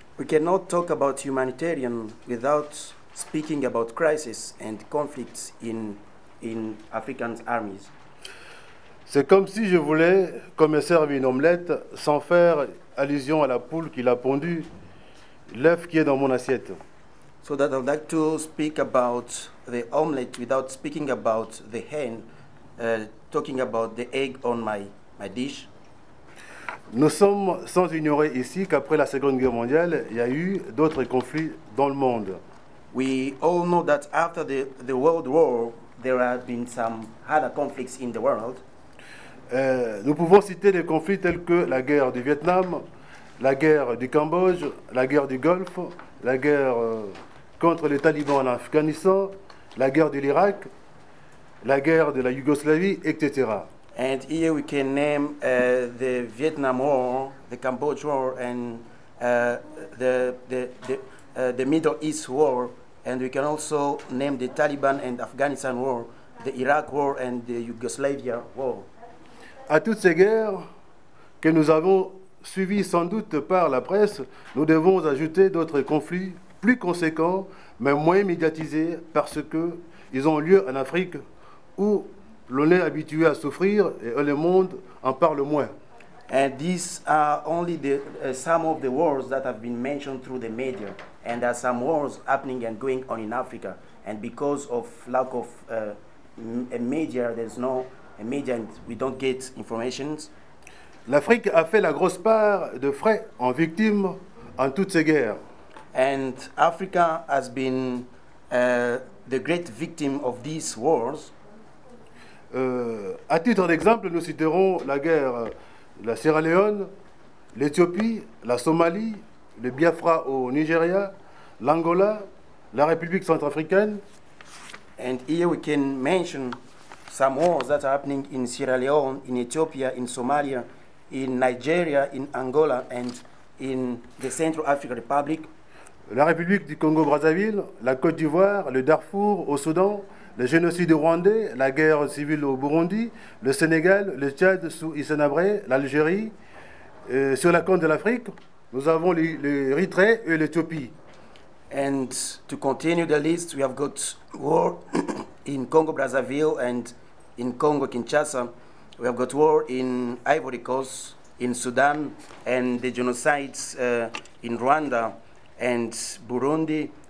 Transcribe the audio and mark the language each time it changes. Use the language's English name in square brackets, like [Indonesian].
[English] We cannot talk about humanitarian without speaking about crises and conflicts in African armies. [French] C'est comme si je voulais qu'on me serve une omelette sans faire allusion à la poule qui l'a pondue, l'œuf qui est dans mon assiette. [English] So that I would like to speak about the omelette without speaking about the hen, talking about the egg on my dish. [French] Nous sommes sans ignorer ici qu'après la Seconde Guerre mondiale, il y a eu d'autres conflits dans le monde. [English] We all know that after the World War, there have been some other conflicts in the world. [French] Nous pouvons citer des conflits tels que la guerre du Vietnam, la guerre du Cambodge, la guerre du Golfe, la guerre contre les talibans en Afghanistan, la guerre de l'Irak, la guerre de la Yougoslavie, etc. [English] And here we can name the Vietnam War, the Cambodge War, and the Middle East War, and we can also name the Taliban and Afghanistan War, the Iraq War, and the Yugoslavia War. [French] À toutes ces guerres que nous avons suivies sans doute par la presse, nous devons ajouter d'autres conflits plus conséquents, mais moins médiatisés, parce qu'ils ont lieu en Afrique, où l'on est habitué à souffrir et où le monde en parle moins. [English] And these are only some of the wars that have been mentioned through the media, and there are some wars happening and going on in Africa, and because of lack of media, there's no media, and we don't get information. [French] L'Afrique a fait la grosse part de frais en victimes en toutes ces guerres. [English] And Africa has been the great victim of these wars. [French] À titre d'exemple, nous citerons la guerre de la Sierra Leone, l'Éthiopie, la Somalie, le Biafra au Nigeria, l'Angola, la République centrafricaine. [English] And here we can mention some wars that are happening in Sierra Leone, in Ethiopia, in Somalia, in Nigeria, in Angola, and in the Central African Republic. [French] La République du Congo-Brazzaville, la Côte d'Ivoire, le Darfour au Soudan, le génocide rwandais, la guerre civile au Burundi, le Sénégal, le Tchad sous Hissène Habré, l'Algérie. Sur la côte de l'Afrique, nous avons l'Érythrée et l'Éthiopie. [English] And to continue the list, we have got war in Congo-Brazzaville and in Congo-Kinshasa. We have got war in Ivory Coast, in Sudan, and the genocides in Rwanda and Burundi.